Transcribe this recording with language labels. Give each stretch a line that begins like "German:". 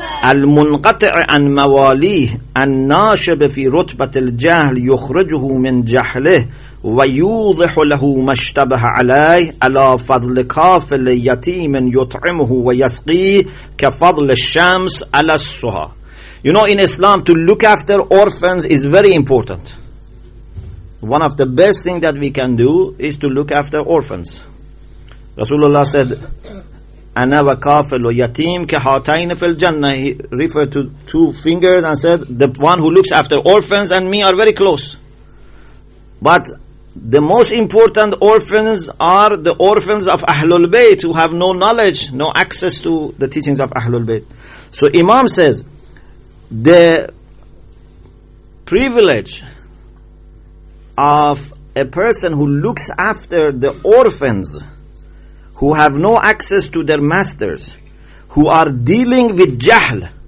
Arabic: المنقطع عن مواليه الناشب في رتبة الجهل يخرجه من جهله ويوضح له ما اشتبه عليه على فضل كافل يتيم يطعمه ويسقيه كفضل الشمس على السها.
English: You know, in Islam, to look after orphans is very important. One of the best things that we can do is to look after orphans. Rasulullah said,
Arabic: أَنَا وَكَافِلُ وَيَتِيمُ كَهَاتَيْنِ فِي الْجَنَّةِ.
English: He referred to two fingers and said, the one who looks after orphans and me are very close. But the most important orphans are the orphans of Ahlul Bayt, who have no knowledge, no access to the teachings of Ahlul Bayt. So Imam says, the privilege of a person who looks after the orphans, who have no access to their masters, who are dealing with jahl.